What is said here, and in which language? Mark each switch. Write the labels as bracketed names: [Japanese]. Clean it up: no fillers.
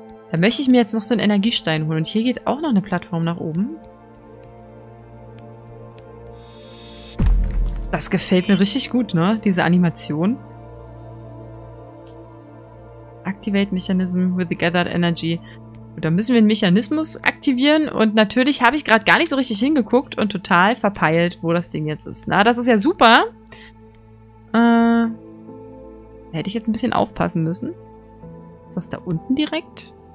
[German] Da möchte ich mir jetzt noch so einen Energiestein holen. Und hier geht auch noch eine Plattform nach oben. Das gefällt mir richtig gut, ne? Diese Animation. [English] Activate Mechanism with the Gathered Energy. [German] Und da müssen wir einen Mechanismus aktivieren. Und natürlich habe ich gerade gar nicht so richtig hingeguckt und total verpeilt, wo das Ding jetzt ist. Na, das ist ja super. Hätte ich jetzt ein bisschen aufpassen müssen. Ist das da unten direkt?